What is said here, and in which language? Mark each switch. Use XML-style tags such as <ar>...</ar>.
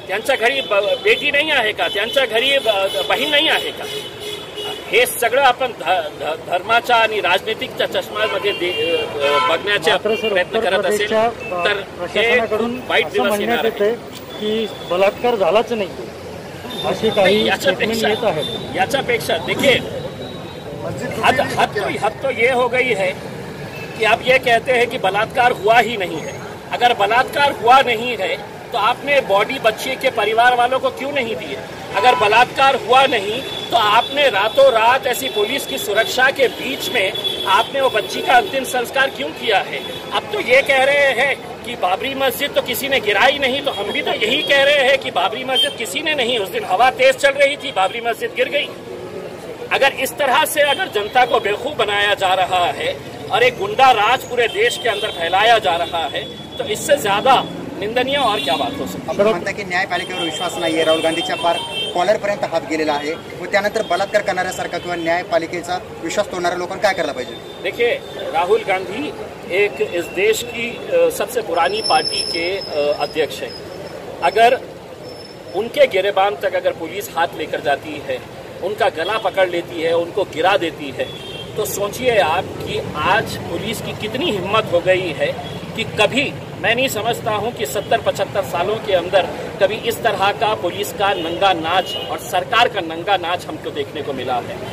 <mr>त्यांच्या घरी बेटी नाही आहे का? त्यांच्या घरी बहीण नाही आहे का? हे सगळं आपण धर्माच्या आणि राजनीतिकच्या चष्म्यामध्ये बघण्याचा प्रयत्न करत असेल तर हे वाईट दिवस येणार आहे की बलात्कार झालाच नाही अशी काही याच्यापेक्षा देखील</mr> <hi>हद तो ये हो गई है कि आप ये कहते हैं कि बलात्कार हुआ ही नहीं है. अगर बलात्कार हुआ नहीं है तो आपने बॉडी बच्चे के परिवार वालों को क्यों नहीं दिए? अगर बलात्कार हुआ नहीं तो आपने रातों रात ऐसी पुलिस की सुरक्षा के बीच में आपने वो बच्ची का अंतिम संस्कार क्यों किया है? अब तो ये कह रहे हैं कि बाबरी मस्जिद तो किसी ने गिराई नहीं, तो हम भी तो यही कह रहे हैं कि बाबरी मस्जिद किसी ने नहीं, उस दिन हवा तेज चल रही थी, बाबरी मस्जिद गिर गई. अगर इस तरह से अगर जनता को बेवकूफ बनाया जा रहा है और एक गुंडा राज पूरे देश के अंदर फैलाया जा रहा है तो इससे ज्यादा निंदनीय और क्या बात हो सकती है.</hi> <mr>न्यायपालिकेवर विश्वास नाही आहे, राहुल गांधीच्या पार कॉलर पर्यंत हात गेलेला आहे, मग त्यानंतर बलात्कार करणाऱ्या सरकार किंवा न्यायपालिकेचा विश्वास तोडणाऱ्या लोकांना काय करायला पाहिजे?</mr> <hi>देखिए, राहुल गांधी एक इस देश की सबसे पुरानी पार्टी के अध्यक्ष है. अगर उनके गिरेबान तक अगर पुलिस हाथ लेकर जाती है, उनका गला पकड़ लेती है, उनको गिरा देती है, तो सोचिए आप कि आज पुलिस की कितनी हिम्मत हो गई है कि कभी, मैं नहीं समझता हूं कि 70-75 सालों के अंदर कभी इस तरह का पुलिस का नंगा नाच और सरकार का नंगा नाच हमको देखने को मिला है.</hi>